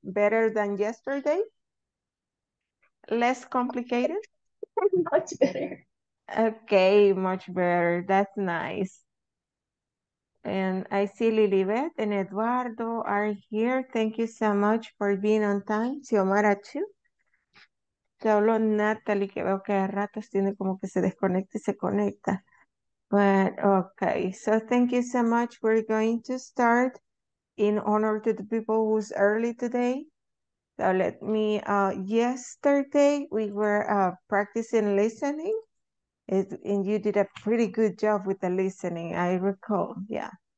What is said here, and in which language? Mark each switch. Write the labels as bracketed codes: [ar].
[en] Better than yesterday? Less complicated? Much better. Okay, much better. That's nice. And I see Lilibet and Eduardo are here. Thank you so much for being on time. Xiomara, too. [es] Te hablo Natalie, que veo que a ratos tiene como que se desconecta y se conecta. [en] But okay, so thank you so much. We're going to start in honor to the people who's early today. So let me, yesterday we were practicing listening, and you did a pretty good job with the listening, I recall. Yeah.